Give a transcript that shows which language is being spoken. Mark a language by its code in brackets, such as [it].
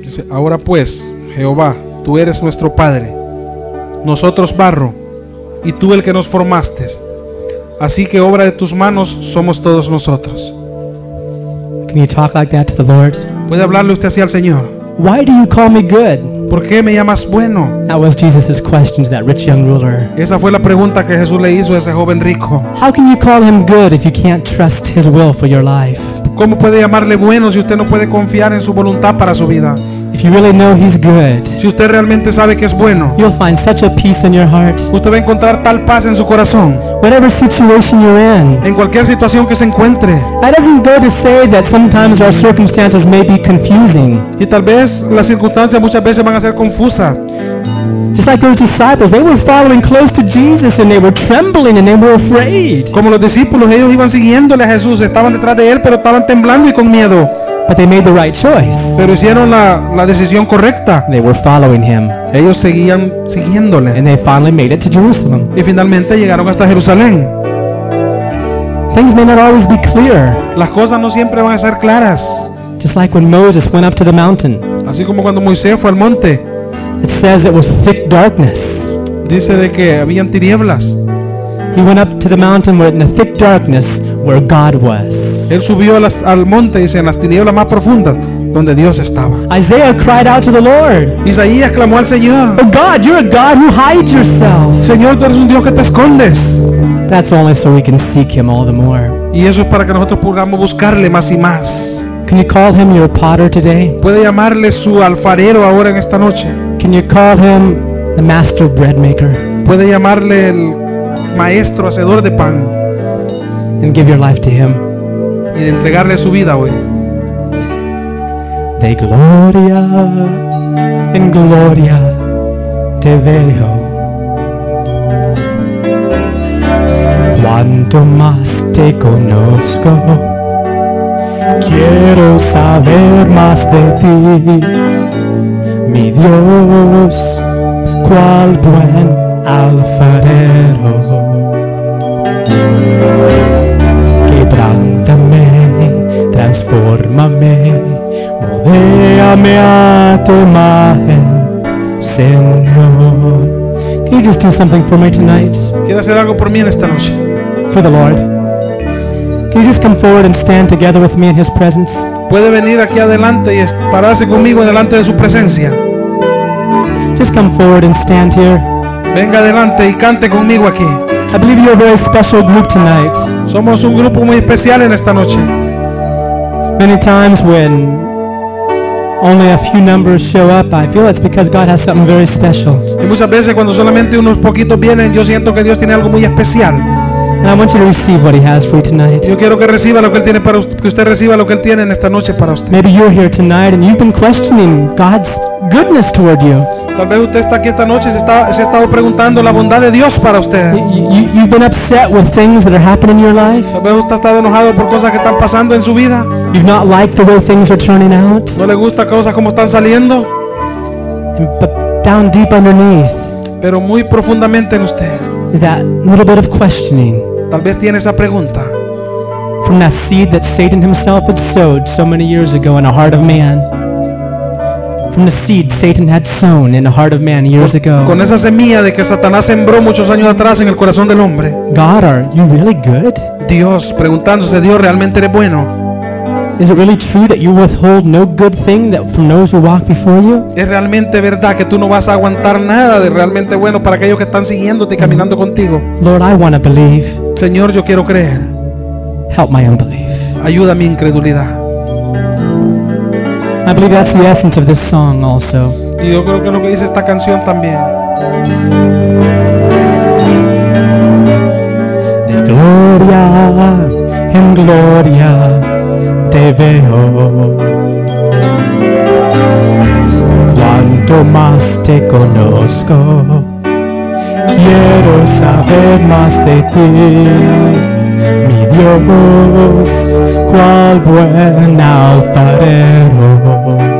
[es] Ahora pues, Jehová, tú eres nuestro Padre, nosotros barro, y tú el que nos formaste. Así que obra de tus manos somos todos nosotros. [en] Can you talk like that to the Lord? [es] ¿Puede hablarle usted así al Señor? [en] Why do you call me good? [es] ¿Por qué me llamas bueno? [en] That was Jesus's question to that rich young ruler. [es] Esa fue la pregunta que Jesús le hizo a ese joven rico. [en] How can you call him good if you can't trust his will for your life? [es] ¿Cómo puede llamarle bueno si usted no puede confiar en su voluntad para su vida? [en] If you really know he's good, [es] si usted realmente sabe que es bueno, [en] you'll find such a peace in your heart. [es] Usted va a encontrar tal paz en su corazón. [en] Whatever situation you're in, [es] en cualquier situación que se encuentre, [en] that doesn't go to say that sometimes our circumstances may be confusing. [es] Y tal vez las circunstancias muchas veces van a ser confusas. [en] Just like those disciples, they were following close to Jesus and they were trembling and they were afraid. [es] Como los discípulos, ellos iban siguiéndole a Jesús, estaban detrás de él, pero estaban temblando y con miedo. [en] But they made the right choice. [es] Pero hicieron la decisión correcta. [en] They were following him. [es] Ellos seguían siguiéndole. [en] And they finally made it to Jerusalem. [es] Y finalmente llegaron hasta Jerusalén. [en] Things may not always be clear. [es] Las cosas no siempre van a ser claras. [en] Just like when Moses went up to the mountain. [es] Así como cuando Moisés fue al monte. [en] It says it was thick darkness. [es] Dice de que habían tinieblas. [en] He went up to the mountain where in the thick darkness where God was. [es] Él subió al monte, dice, en las tinieblas más profundas, donde Dios estaba. [en] Isaiah cried out to the Lord. [es] Isaías clamó al Señor. [en] Oh God, you're a God who hides yourself. [es] Señor, tú eres un Dios que te escondes. [en] That's only so we can seek him all the more. [es] Y eso es para que nosotros podamos buscarle más y más. [en] Can you call him your potter today? [es] ¿Puede llamarle su alfarero ahora en esta noche? [en] Can you call him the master bread maker? [es] ¿Puede llamarle el maestro hacedor de pan? [en] And give your life to him. [es] Y entregarle su vida hoy. De gloria en gloria te veo. Cuanto más te conozco, quiero saber más de ti, mi Dios, cual buen alfarero. Quebrántame, transfórmame, modéame a tu imagen, Señor. [en] Can you just do something for me tonight? [es] ¿Quieres hacer algo por mí en esta noche? [en] For the Lord. Can you just come forward and stand together with me in his presence? [es] ¿Puede venir aquí adelante y pararse conmigo delante de su presencia? [en] Just come forward and stand here. [es] Venga adelante y cante conmigo aquí. [en] I believe you're a very special group tonight. [es] Somos un grupo muy especial en esta noche. [en] Many times when only a few numbers show up, I feel it's because God has something very special. [es] Y muchas veces cuando solamente unos poquitos vienen, yo siento que Dios tiene algo muy especial. [en] And I want you to receive what he has for you tonight. [es] Yo quiero que reciba lo que él tiene para usted, que usted reciba lo que él tiene en esta noche para usted. [en] Maybe you're here tonight and you've been questioning God's goodness toward you. [es] Tal vez usted está aquí esta noche y se ha estado preguntando la bondad de Dios para usted. [en] You've been upset with things that are happening in your life. [es] Tal vez usted ha estado enojado por cosas que están pasando en su vida. [en] You've not liked the way things are turning out. [es] No le gusta cosas como están saliendo. [en] But down deep underneath. [es] Pero muy profundamente en usted. [en] Is that little bit of questioning? [es] Tal vez tiene esa pregunta. [en] From that seed that Satan himself had sowed so many years ago in a heart of man. From the seed Satan had sown in a heart of man years ago. [es] Con esa semilla de que Satanás sembró muchos años atrás en el corazón del hombre. [en] God, are you really good? [es] Dios, preguntándose, Dios, ¿realmente eres bueno? [en] Is it really true that you withhold no good thing that from those who walk before you? [es] ¿Es realmente verdad que tú no vas a aguantar nada de realmente bueno para aquellos que están siguiéndote y caminando contigo? [en] Lord, I want to believe. [es] Señor, yo quiero creer. [en] Help my unbelief. [es] Ayuda mi incredulidad. [en] I believe that's the essence of this song also. [es] Y yo creo que lo que dice esta canción también. De gloria en gloria te veo. Cuanto más te conozco, quiero saber más de ti, mi Dios, cual buen alfarero.